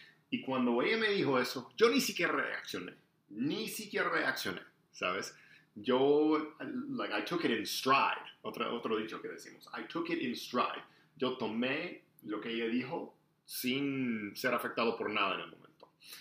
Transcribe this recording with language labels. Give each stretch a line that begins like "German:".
Spanish: Y cuando ella me dijo eso, yo ni siquiera reaccioné. Ni siquiera reaccioné, ¿sabes?
English: I took it in stride,
Spanish: otro dicho que decimos,
English: I took it in stride.
Spanish: Yo tomé lo que ella dijo sin ser afectado por nada en el momento.